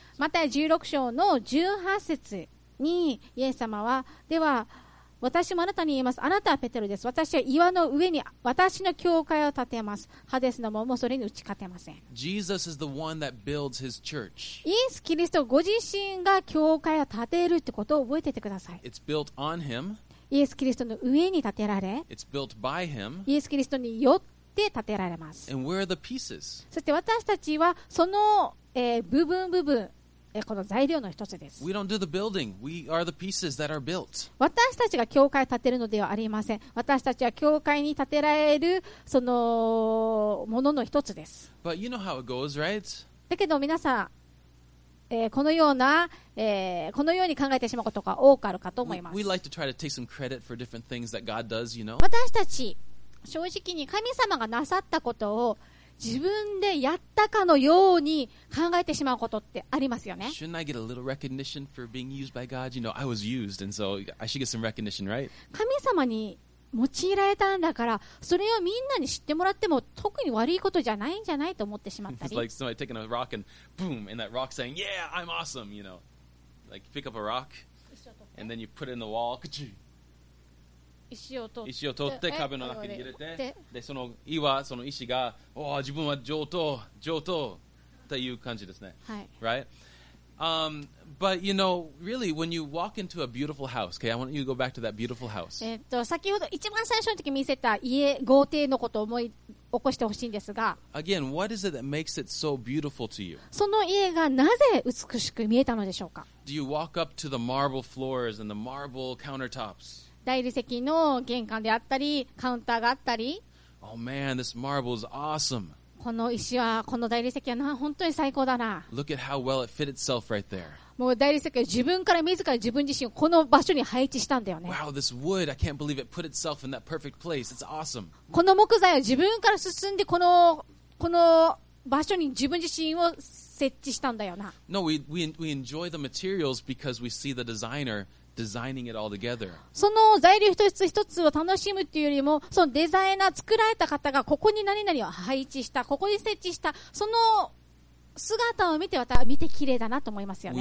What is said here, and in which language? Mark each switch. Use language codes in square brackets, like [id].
[ja] マタイ16章の18節に、イエス様は、では、私もあなたに言います。あなたはペテロです。私は岩の上に私の教会を建てます。ハデスの門もそれに打ち勝てません。 [en] Jesus is the one that builds his church. [ja] イエス・キリストご自身が教会を建てるってことを覚えててください。 [en] It's built on him. [ja] イエス・キリストの上に建てられ、 [en] It's built by him. [ja] イエス・キリストによって建てられます。 [en] And where are the pieces? [ja] そして私たちはその、部分部分、この材料の一つです。 [en] We don't do the building. We are the pieces that are built. [ja] 私たちが教会を建てるのではありません。私たちは教会に建てられるそのものの一つです。 [en] But you know how it goes, right? [ja] だけど皆さん、このような、このように考えてしまうことが多くあるかと思います。 [en] We like to try to take some credit for different things that God does, you know? [ja] 私たち、正直に神様がなさったことを自分でやったかのように考えてしまうことってありますよね。 [en] Shouldn't I get a little recognition for being used by God? You know, I was used, and so I should get some recognition, right? [ja] 神様に用いられたんだから、それをみんなに知ってもらっても特に悪いことじゃないんじゃないと思ってしまったり。 [en] It's like somebody taking a rock and boom, and that rock saying, "Yeah, I'm awesome." You know, like pick up a rock and then you put it in the wall. Kachi! [ja] 石を取って壁の中に入れて、でその岩、その石が、おお、自分は上等、上等っていう感じですね。はい。 [en] Right? But you know, really, when you walk into a beautiful house, okay, I want you to go back to that beautiful house. [ja] 先ほど一番最初の時見せた家、豪邸のことを思い起こしてほしいんですが、 [en] Again, what is it that makes it so beautiful to you? [ja] その家がなぜ美しく見えたのでしょうか? [en] Do you walk up to the marble floors and the marble countertops? [ja] 大理石の玄関であったり、カウンターがあったり。 [en] Oh man, this marble is awesome. [ja] この石は、この大理石はな、本当に最高だな。 [en] Look at how well it fit itself right there. [ja] もう大理石は自分から自ら自分自身をこの場所に配置したんだよね。 [en] Wow, this wood, I can't believe it put itself in that perfect place. It's awesome. [ja] この木材は自分から進んでこの場所に自分自身を設置したんだよな。 [en] No, we enjoy the materials because we see the designerDesigning it all together. [ja] その材料一つ一つを楽しむというよりも、そのデザイナー作られた方がここに何々を配置した、ここに設置した、その姿を見て、また見て綺麗だなと思いますよね。